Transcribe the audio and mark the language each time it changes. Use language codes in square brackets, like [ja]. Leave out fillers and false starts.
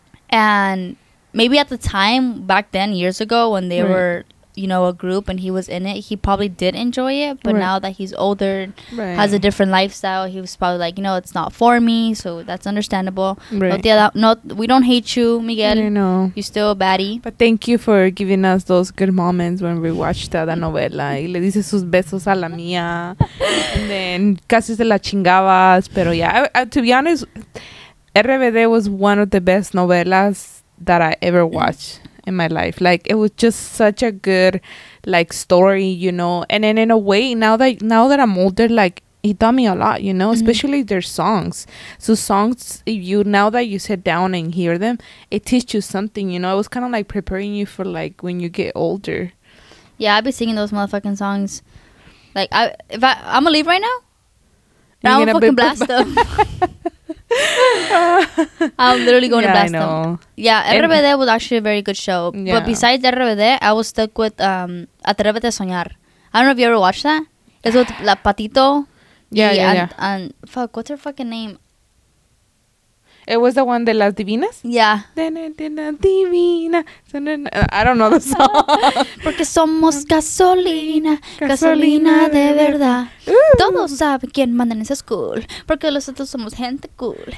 [en] And maybe at the time, back then, years ago, when they were, you know, a group and he was in it, he probably did enjoy it. But now that he's older, has a different lifestyle, he was probably like, you know, it's not for me. So that's understandable. We don't hate you, Miguel. You know. You're still a baddie. But thank you for giving us those good moments when we watched that novela. [es] Y le dice sus besos a la mía. [en] And then [es] casi se la chingabas. Pero [en] yeah, to be honest, RBD was one of the best novelas that I ever watched in my life. Like, it was just such a good, like, story, you know? And then in a way, now that I'm older, like, it taught me a lot, you know? Especially their songs. So songs, now that you sit down and hear them, it teaches you something, you know? It was kind of like preparing you for, like, when you get older. Yeah, I'd be singing those motherfucking songs. Like, I'm going to leave right now. And I'm going to fucking blast them. I'm literally going to blast them. Yeah, RBD was actually a very good show. Yeah. But besides RBD, I was stuck with Atrévete a Soñar. I don't know if you ever watched that. It's with La Patito. Yeah. And fuck, what's her fucking name? It was the one de Las Divinas? Yeah. Divina. I don't know the song. [es] Porque somos gasolina, gasolina de verdad. Todos saben quién manda en esa school. Porque los otros somos gente cool.